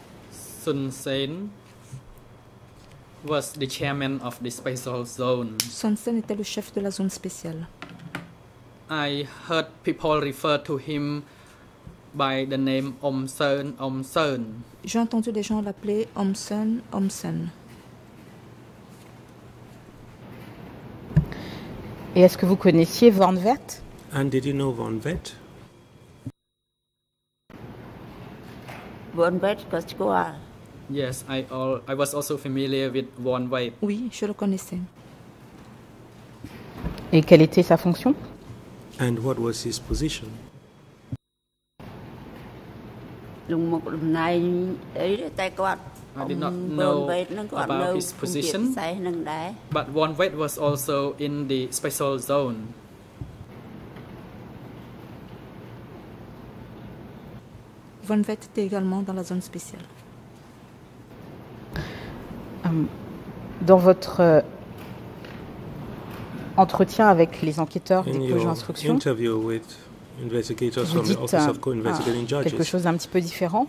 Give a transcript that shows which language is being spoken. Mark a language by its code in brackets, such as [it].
[en] Sun Sen was the chairman of the special zone. [fr] Sun Sen était le chef de la zone spéciale. [en] I heard people refer to him by the name Om Sen, Om Sen. [fr] J'ai entendu des gens l'appeler Om Sen, Om Sen. Et est-ce que vous connaissiez Van Vett? [en] And did you know Van Vett? [fr] Van Vett, qu'est-ce que c'est? [en] Yes, I was also familiar with Van Vett. [fr] Oui, je le connaissais. Et quelle était sa fonction? [en] And what was his position? I did not know about his position, but Van Vett was also in the special zone. [fr] Van Vett était également dans la zone spéciale. Dans votre entretien avec les enquêteurs des coaches d'instruction, vous dites quelque chose d'un petit peu différent.